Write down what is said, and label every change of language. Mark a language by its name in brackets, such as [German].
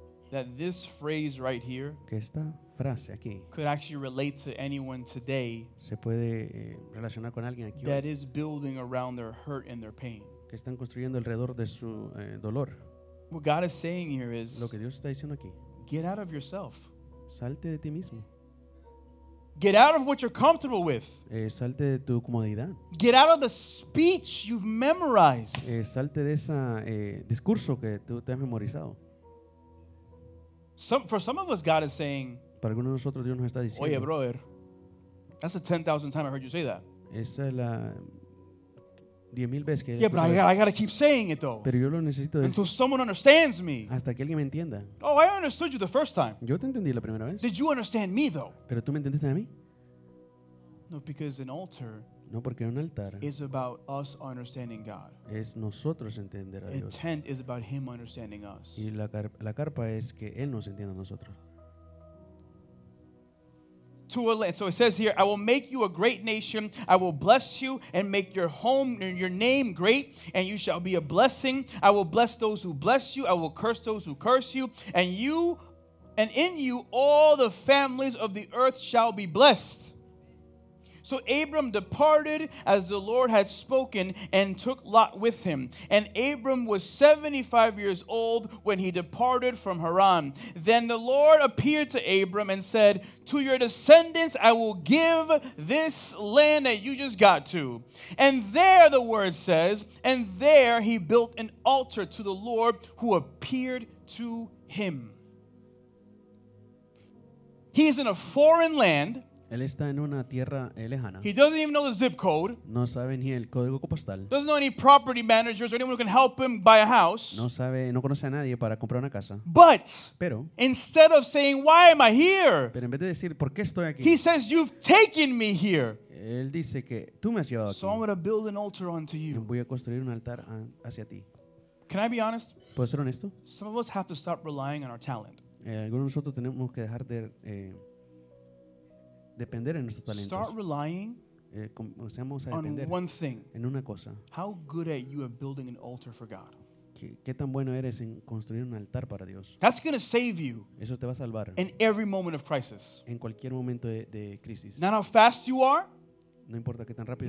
[English] that this phrase right here [Spanish] que esta frase aquí [English] could actually relate to anyone today [Spanish] se puede relacionar con alguien aquí [English] that is building around their hurt and their pain? [Spanish] Que están construyendo alrededor de su dolor. [English] What God is saying here is [Spanish] lo que Dios está diciendo aquí, [English] get out of yourself. [Spanish] Salte de ti mismo. [English] Get out of what you're comfortable with. [Spanish] Salte de tu comodidad. [English] Get out of the speech you've memorized. [Spanish] Salte de ese discurso que tú te has memorizado. [English] For some of us, God is saying, [Spanish] para algunos de nosotros, Dios nos está diciendo, [English] oye, brother, that's the 10,000th time I heard you say that. [Spanish] Esa es la 10,000 veces que [English] yeah, but I gotta keep saying it though. [Spanish] Pero yo lo necesito [English] until someone understands me. [Spanish] Hasta que alguien me entienda. [English] Oh, I understood you the first time. [Spanish] Yo te entendí la primera vez. [English] Did you understand me though? [Spanish] Pero tú me entendiste a mí. [English] No, because an altar. [Spanish] No, porque un altar [English] is about us understanding God. [Spanish] Es nosotros entender a Dios. [English] A tent is about Him understanding us. [Spanish] Y la carpa es que Él nos entienda a nosotros. [English] To a land. So it says here, I will make you a great nation. I will bless you and make your home and your name great, and you shall be a blessing. I will bless those who bless you. I will curse those who curse you. And you, and in you, all the families of the earth shall be blessed. So Abram departed as the Lord had spoken and took Lot with him. And Abram was 75 years old when he departed from Haran. Then the Lord appeared to Abram and said, to your descendants I will give this land that you just got to. And there, the word says, and there he built an altar to the Lord who appeared to him. He is in a foreign land. [Spanish] Él está en una tierra lejana. [English] He doesn't even know the zip code. [Spanish] No sabe ni el código postal. [English] Doesn't know any property managers or anyone who can help him buy a house. [Spanish] No sabe, no conoce a nadie para comprar una casa. [English] But [Spanish] pero, [English] instead of saying, why am I here? [Spanish] Pero en vez de decir, ¿por qué estoy aquí? [English] He says, you've taken me here. [Spanish] Él dice que tú me has llevado [English] so [Spanish] aquí. [English] I'm going to build an altar unto you. [Spanish] Voy a construir un altar hacia ti. [English] Can I be honest? [Spanish] ¿Puedo ser honesto? [English] Some of us have to stop relying on our talent. [Spanish] Algunos de nosotros tenemos que dejar de depender en nuestros talentos. [English] Start relying [Spanish] comencemos a depender [English] on one thing. [Spanish] En una cosa. [English] How good are you at building an altar for God? [Spanish] ¿Qué tan bueno eres en construir un altar para Dios? [English] That's going to save you. [Spanish] Eso te va a salvar. [English] In every moment of crisis. [Spanish] En cualquier momento de crisis. [English] Not how fast you are. [Spanish] No importa qué tan rápido